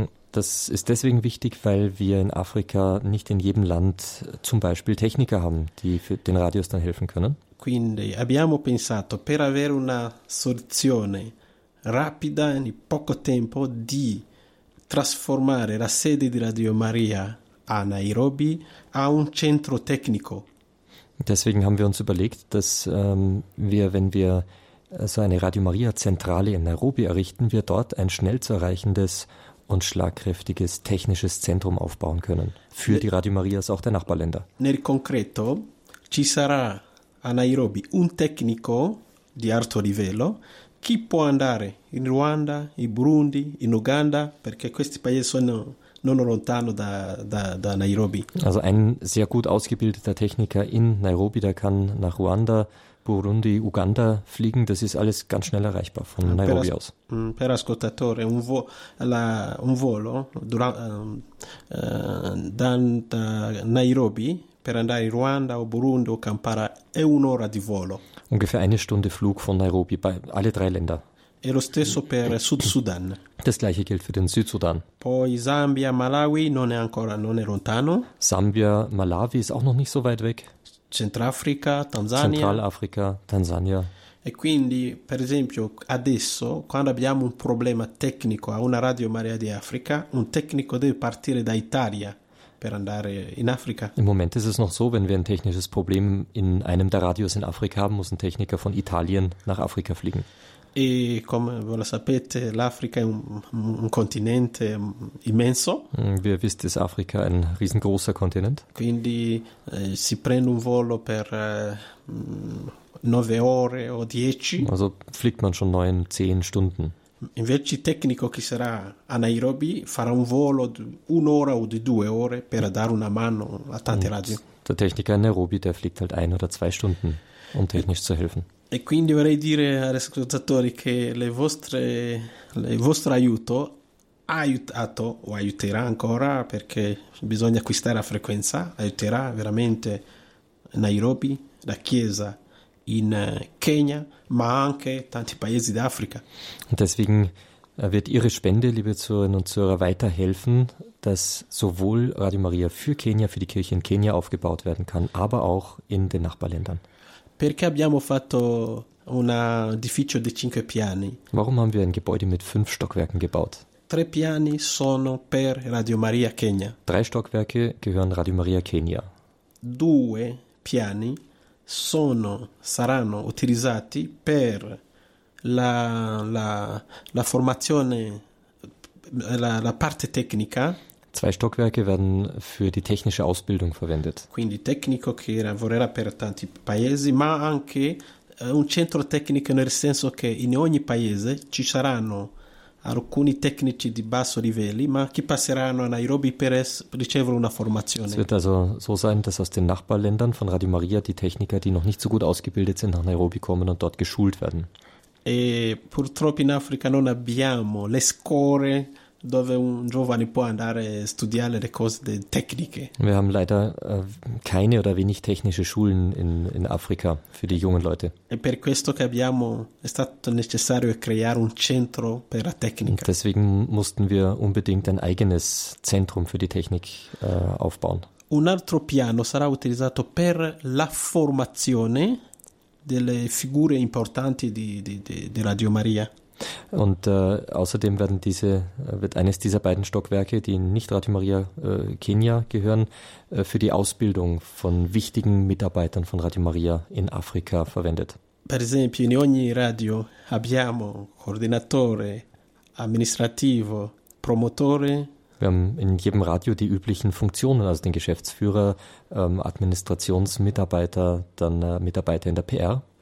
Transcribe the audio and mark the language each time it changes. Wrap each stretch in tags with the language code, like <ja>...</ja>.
<de>Das ist deswegen wichtig, weil wir in Afrika nicht in jedem Land zum Beispiel Techniker haben, die für den Radios dann helfen können.</de> <it>Quindi abbiamo pensato per avere una soluzione rapida in poco tempo di trasformare la sede di Radio Maria a Nairobi a un centro tecnico.</it> <de>Deswegen haben wir uns überlegt, dass wir, wenn wir so eine Radio Maria Zentrale in Nairobi errichten, wir dort ein schnell zu erreichendes und schlagkräftiges technisches Zentrum aufbauen können für die Radio Marias auch der Nachbarländer.</de> <it>Nel concreto ci sarà a Nairobi un tecnico di alto livello. Chi può andare in Ruanda, in Burundi, in Uganda, perché questi paesi sono non lontano da Nairobi.</it> <de>Also ein sehr gut ausgebildeter Techniker in Nairobi, der kann nach Ruanda, Burundi, Uganda fliegen. Das ist alles ganz schnell erreichbar von Nairobi aus.</de> <it>Per ascoltatore, un volo da Nairobi per andare in Ruanda o Burundi o Kampala è un'ora di volo.</it> <de>Ungefähr eine Stunde Flug von Nairobi bei alle drei Länder.</de> <it>E lo stesso per Sud Sudan.</it> <de>Das gleiche gilt für den Südsudan.</de> <it>Poi Zambia, Malawi non è ancora non è lontano.</it> <de>Sambia, Malawi ist auch noch nicht so weit weg.</de> <it>Centrafrica, Tanzania.</it> <de>Centralafrica, Tanzania.</de> <it>E quindi, per esempio, adesso quando abbiamo un problema tecnico a una Radio Maria di Africa, un tecnico deve partire da Italia. Per andare in Africa.</it> <de>Im Moment ist es noch so, wenn wir ein technisches Problem in einem der Radios in Afrika haben, muss ein Techniker von Italien nach Afrika fliegen.</de> <it>E come voi lo sapete, l'Africa è un continente immenso.</it> <de>Wie ihr wisst, ist Afrika ein riesengroßer Kontinent.</de> <it>Quindi si prende un volo per 9 ore o 10.</it> <de>Also fliegt man schon 9-10 Stunden.</de> <it>Invece il tecnico che sarà a Nairobi farà un volo di un'ora o di due ore per dare una mano a tante radio.</it> <de>Der Techniker in Nairobi, der fliegt halt ein oder zwei Stunden, um technisch zu helfen.</de> <it>E quindi vorrei dire agli ascoltatori che il vostro aiuto ha aiutato o aiuterà ancora, perché bisogna acquistare la frequenza, aiuterà veramente Nairobi, la Chiesa in Kenya, ma anche tanti paesi d'Africa.</it> <de>Und deswegen wird Ihre Spende, liebe Zuhörerinnen und Zuhörer, weiterhelfen, dass sowohl Radio Maria für Kenia, für die Kirche in Kenia aufgebaut werden kann, aber auch in den Nachbarländern.</de> <it>Perché abbiamo fatto un edificio di 5 piani?</it> <de>Warum haben wir ein Gebäude mit 5 Stockwerken gebaut?</de> <it>3 piani sono per Radio Maria Kenya.</it> <de>3 Stockwerke gehören Radio Maria Kenia.</de> <it>2 piani saranno utilizzati per la formazione, la parte tecnica.</it> <de>Zwei Stockwerke werden für die technische Ausbildung verwendet.</de> <it>Quindi tecnico che lavorerà per tanti paesi, ma anche un centro tecnico nel senso che in ogni paese ci saranno alcuni tecnici di basso livello, ma che passeranno a Nairobi per ricevere una formazione.</it> <de>Es wird also so sein, dass aus den Nachbarländern von Radio Maria die Techniker, die noch nicht so gut ausgebildet sind, nach Nairobi kommen und dort geschult werden.</de> <it>E purtroppo in Africa non abbiamo le scuole dove un giovane può andare a studiare le cose tecniche.</it> <de>Wir haben leider keine oder wenig technische Schulen in Afrika für die jungen Leute.</de> <it>E per questo che abbiamo è stato necessario creare un centro per la tecnica.</it> <de>Deswegen mussten wir unbedingt ein eigenes Zentrum für die Technik aufbauen.</de> <it>Un altro piano sarà utilizzato per la formazione delle figure importanti di Radio Maria.</it> <de>Und außerdem wird eines dieser beiden Stockwerke, die nicht Radio Maria Kenia gehören, für die Ausbildung von wichtigen Mitarbeitern von Radio Maria in Afrika verwendet.</de> <it>Per esempio, in ogni radio abbiamo coordinatore, amministrativo, promotore.</it> <de>Wir haben in jedem Radio die üblichen Funktionen, also den Geschäftsführer, Administrationsmitarbeiter, dann Mitarbeiter in der PR.</de>